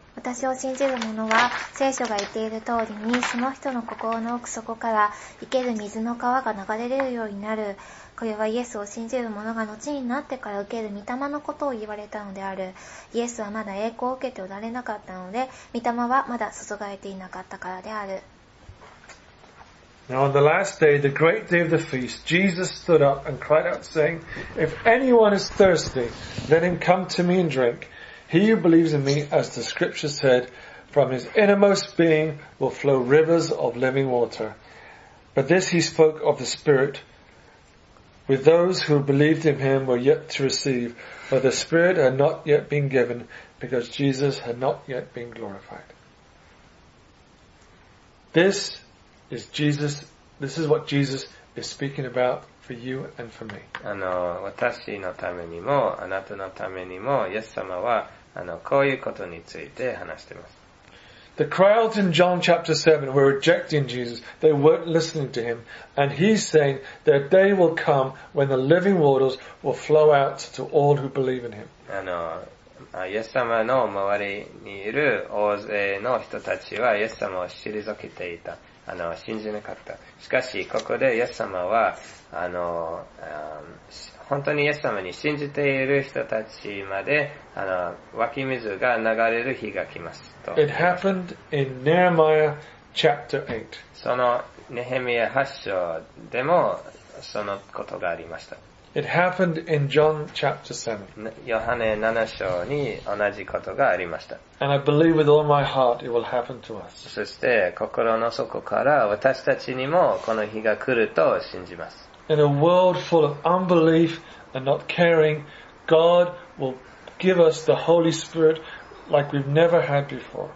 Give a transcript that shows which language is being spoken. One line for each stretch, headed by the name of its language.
Japanese: 私を信じる者は聖書が言っている通りにその人の心の奥底から生ける水の川が流れれるようになる。これはイエスを信じる者が後になってから受ける御霊のことを言われたのである。イエスはまだ栄光を受けておられなかったので御霊はまだ注がれていなかったからである。
English: Now on the last day, the great day of the feast, Jesus stood up and cried out saying, If anyone is thirsty, let him come to me and drink. He who believes in me, as the scripture said, from his innermost being will flow rivers of living water. But this he spoke of the Spirit, with those who believed in him were yet to receive, for the Spirit had not yet been given, because Jesus had not yet been glorified. This is what Jesus is speaking about for you and for me.
Japanese: あの、私のためにも、あなたのためにも、イエス様は、あの、こういうことについて話しています。
English: The crowds in John chapter 7 were rejecting Jesus. They weren't listening to him. And he's saying that day will come when the living waters will flow out to all who believe in him.
Japanese: あの、イエス様の周りにいる大勢の人たちは、イエス様を退けていた。あの、信じなかった。しかし、ここで、イエス様は、あの、本当にイエス様に信じている人たちまで、あの、湧き水が流れる日が来ますと。
English: It happened in Nehemiah chapter 8.
Japanese: その、ネヘミヤ8章でも、そのことがありました。
English: It happened in John chapter 7.
Japanese: ヨハネ7章に同じことがありました。
English: And I believe with all my heart it will happen to us.
Japanese: そして心の底から私たちにもこの日が来ると信じます。
English: In a world full of unbelief and not caring, God will give us the Holy Spirit like we've never had before.